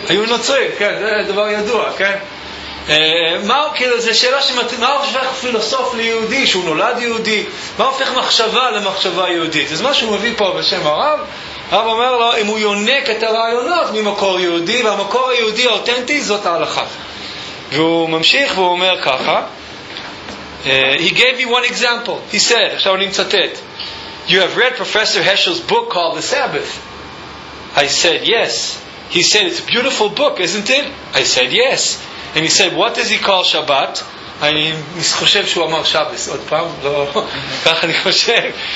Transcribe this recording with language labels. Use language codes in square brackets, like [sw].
[he] היו נוצרים, כן, זה דבר ידוע, כן? מהו, כאילו, זה שאלה מה הופך פילוסוף ליהודי, שהוא נולד יהודי? מה הופך מחשבה למחשבה יהודית? אז מה שהוא מביא פה בשם הרב, הרב אומר לו, אם הוא יונק את הרעיונות ממקור יהודי, והמקור היהודי האותנטי זאת ההלכה. [en] והוא ממשיך והוא אומר ככה, he gave me one example, he said, עכשיו אני מצטט, you have read Professor Heschel's book called The Sabbath. I said, yes. He said, it's a beautiful book, isn't it? I said, yes. And he said, what does he call Shabbat? [he] אני חושב שהוא אמר Shabbos, עוד פעם, לא, ככה אני חושב.